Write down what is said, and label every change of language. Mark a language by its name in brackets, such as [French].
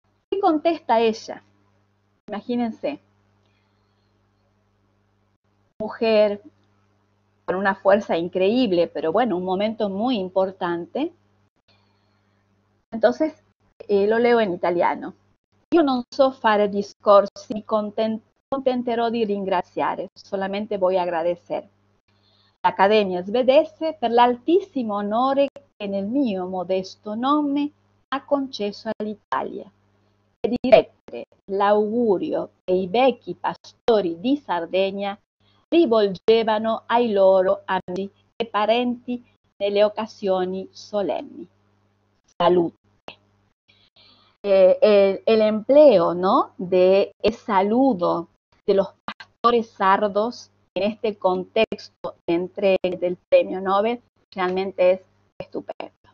[Spanish] ¿Qué contesta ella? Imagínense, mujer con una fuerza increíble, pero bueno, un momento muy importante. Entonces, lo leo en italiano. [Italian] Io non so fare discorsi, contenterò di ringraziare, solamente [Spanish] voy a agradecer. [Italian] L'Accademia svedese per l'altissimo onore che nel mio modesto nome ha concesso all'Italia. E direttore, l'augurio che i vecchi pastori di Sardegna rivolgevano ai loro amici e parenti nelle occasioni solenni. Salute. [Spanish] El empleo, ¿no?, de ese saludo de los pastores sardos en este contexto de entrega del premio Nobel realmente es estupendo.